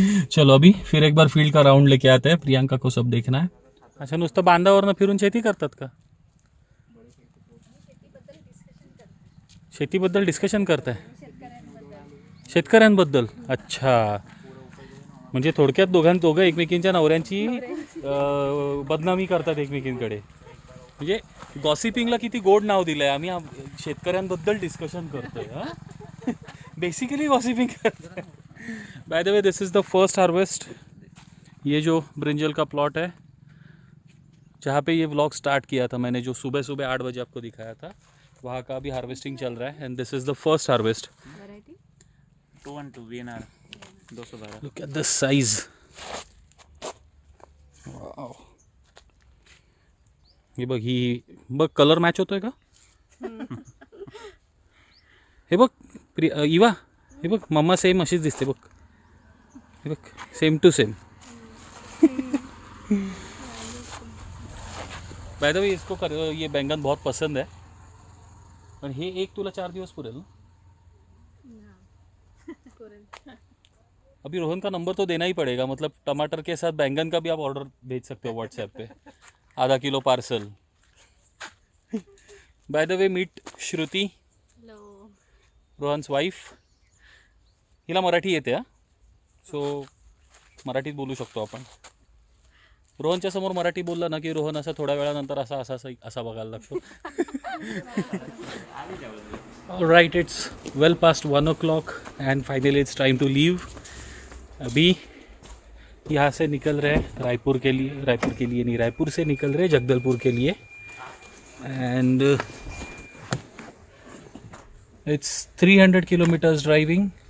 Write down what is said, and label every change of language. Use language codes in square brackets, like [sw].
[hi] चलो अभी फिर एक बार फील्ड का राउंड लेके आते हैं, प्रियंका को सब देखना है। [mr] अच्छा नुसतं बांधावर ना फिरून शेती करतात का? शेतीबद्दल डिस्कशन करताय शेतकऱ्यांबद्दल? अच्छा म्हणजे थोडक्यात दोघं एकमेकींच्या नवऱ्यांची बदनामी करतात एकमेकींकडे, म्हणजे गॉसिपिंगला किती गोड नाव दिलं आहे। आम्ही शेतकऱ्यांबद्दल डिस्कशन करतोय, बेसिकली गॉसिपिंग करतोय। [en] by the way this is the first harvest, [hi] ये जो ब्रिंजल का प्लॉट है जहाँ पे ये व्लॉग स्टार्ट किया था मैंने, जो सुबह सुबह 8 बजे आपको दिखाया था, वहाँ का अभी हार्वेस्टिंग चल रहा है [en] And this is the first harvest. 212 VNR 212। Look at the size, wow. [mr] ये बघ ही बघ कलर मॅच होतोय का? हे बघ इवा, हे बघ मम्मा सेम अशीच दिसते बघ, हे बघ same to same. [hi] By the way इसको कर, ये बैंगन बहुत पसंद है, [mr] पण हे एक तुला 4 दिवस पुरेल ना? [hi] अभी रोहन का नंबर तो देना ही पड़ेगा, मतलब टमाटर के साथ बैंगन का भी आप ऑर्डर भेज सकते हो व्हाट्सएप पे, आधा kilo parcel. [en] by the way meet Shruti, Rohan's wife, [mr] हिला मराठी येते हा, सो मराठीत बोलू शकतो आपण। रोहनच्या समोर मराठी बोलला ना की रोहन असा थोड्या वेळानंतर असा असा असा बघायला लागतो। [en] All right, it's well past 1 o'clock and finally it's time to leave. [hi] अभी यहाँ से निकल रहे रायपूर के लिए, रायपूर के लिए नहीं, रायपूर से निकल रहे जगदलपूर के लिए [en] And it's 300 kilometres driving.